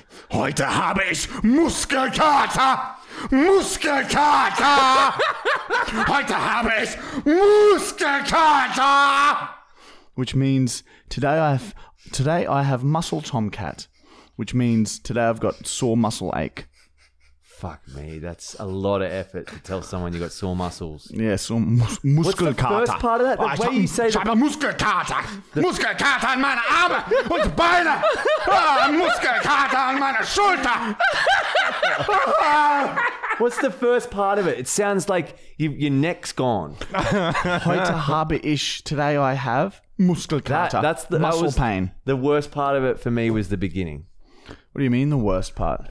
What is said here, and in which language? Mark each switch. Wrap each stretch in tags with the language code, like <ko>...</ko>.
<de>Heute habe ich Muskelkater! Muskelkater! Heute habe ich Muskelkater!</de> <en>Which means today I have muscle tomcat, which means today I've got sore muscle ache. Fuck me, that's a lot of effort to tell someone you got sore muscles. Yeah, sore muskelkater. What's the first part of that? The way you say that? I have a muskelkater.</en> <de>Muskelkater in meine Arme und Beine. Muskelkater in meine Schulter.</de> <en>What's the first part of it? It sounds like your neck's gone.</en> <de>Heute habe ich,</de> <en>today I have muskelkater. That was pain. The worst part of it for me was the beginning. What do you mean the worst part?</en>